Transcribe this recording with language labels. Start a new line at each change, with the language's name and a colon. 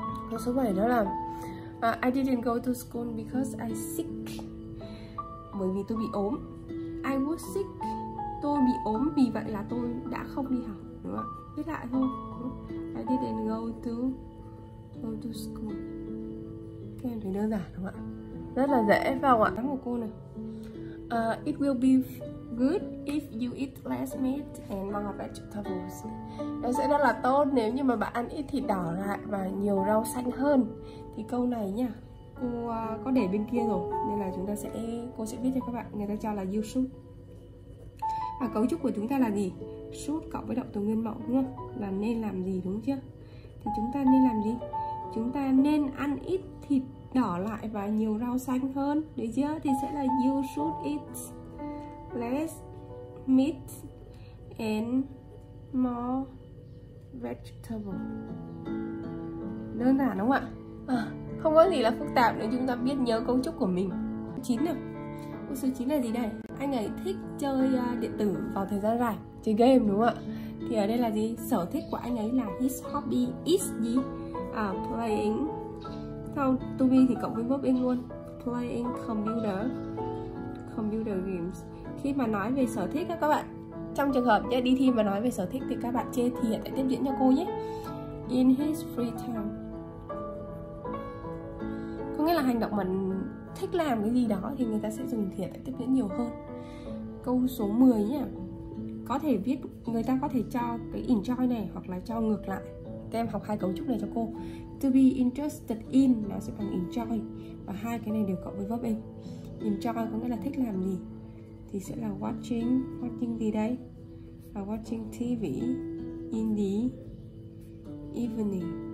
Vietnamese: Câu số 7 đó là
English: I didn't go to school because I sick.
Vietnamese: Bởi vì tôi bị ốm.
English: I was sick.
Vietnamese: Tôi bị ốm, vì vậy là tôi đã không đi học, đúng không ạ? Viết lại thôi.
English: I didn't go to school.
Vietnamese: Các em thấy đơn giản đúng không ạ? Rất là dễ phải không ạ? Đáp của cô này.
English: It will be good if you eat less meat and more vegetables.
Vietnamese: Nó sẽ rất là tốt nếu như mà bạn ăn ít thịt đỏ lại và nhiều rau xanh hơn. Thì câu này nhá, cô có để bên kia rồi, nên là chúng ta sẽ, cô sẽ viết cho các bạn. Người ta cho là
English: you should.
Vietnamese: Và cấu trúc của chúng ta là gì? Should cộng với động từ nguyên mẫu, đúng không? Là nên làm gì, đúng chưa? Thì chúng ta nên làm gì? Chúng ta nên ăn ít thịt đỏ lại và nhiều rau xanh hơn, đấy chưa?
English: Thì sẽ là you should eat less meat and more vegetable.
Vietnamese: Đơn giản đúng không ạ? Không có gì là phức tạp nếu chúng ta biết nhớ cấu trúc của mình. 9 nè. Câu số 9 là gì đây? Anh ấy thích chơi điện tử vào thời gian rảnh, chơi game đúng không ạ? Thì ở đây là gì? Sở thích của anh ấy là
English: his hobby is
Vietnamese: gì? Playing. Sau to be thì cộng với verb in luôn.
English: Playing computer games.
Vietnamese: Khi mà nói về sở thích các bạn, Trong trường hợp đi thi mà nói về sở thích thì các bạn chê thì hãy tiếp diễn cho cô nhé.
English: In his free time.
Vietnamese: Có nghĩa là hành động mà thích làm cái gì đó thì người ta sẽ dùng thì hãy tiếp diễn nhiều hơn. Câu số 10 nhé. Có thể viết, người ta có thể cho cái enjoy này hoặc là cho ngược lại. Các em học hai cấu trúc này cho cô.
English: To be interested in
Vietnamese: nó sẽ bằng enjoy, và hai cái này đều cộng với verb in. Enjoy có nghĩa là thích làm gì, thì sẽ là watching. Watching gì đây? Là
English: watching TV in the evening.